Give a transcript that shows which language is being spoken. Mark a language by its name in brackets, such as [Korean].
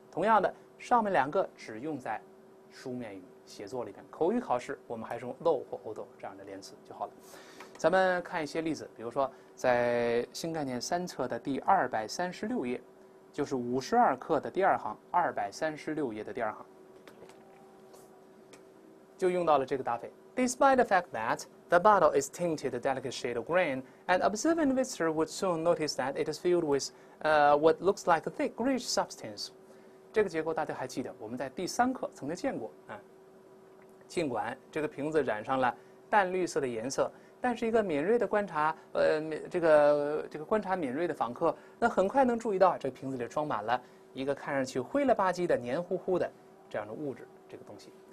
[Chinese] 同样的，上面两个只用在书面语写作里面，口语考试我们还是用 though 或 although 这样的连词就好了。咱们看一些例子，比如说在新概念三册的第236页，就是52课的第二行，236页的第二行，就用到了这个搭配。 [English] Despite the fact that the bottle is tinted a delicate shade of green, an observant visitor would soon notice that it is filled with what looks like a thick greenish substance. [Chinese] 这个结构大家还记得，我们在第三课曾经见过啊。尽管这个瓶子染上了淡绿色的颜色，但是一个敏锐的观察，这个观察敏锐的访客，那很快能注意到这瓶子里装满了一个看上去灰了吧唧的黏糊糊的这样的物质，这个东西。